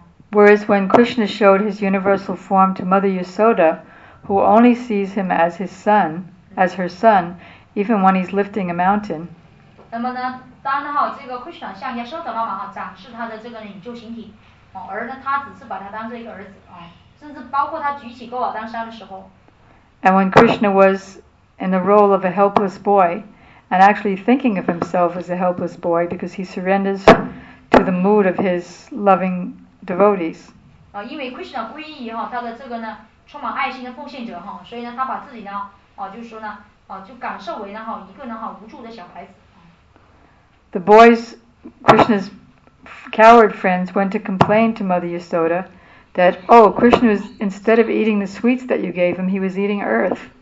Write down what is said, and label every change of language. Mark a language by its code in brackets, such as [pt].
[en] Whereas when Krishna showed his universal form to Mother Yasoda, who only sees him as his son, as her son, even when he's lifting a mountain. [zh] 当这个 Krishna 向耶稣的妈妈展示他的这个宇宙形体，而呢，他只是把他当做一个儿子，甚至包括他举起钩儿当山的时候。 [en] And when Krishna was in the role of a helpless boy, and actually thinking of himself as a helpless boy because he surrenders to the mood of his loving devotees. [zh] 因为 Krishna 皈依他的这个充满爱心的奉献者，所以呢，他把自己呢，就感受为呢一个呢无助的小孩子。 [en] The boys, Krishna's coward friends, went to complain to Mother Yasoda that, oh, Krishna was, instead of eating the sweets that you gave him, he was eating earth.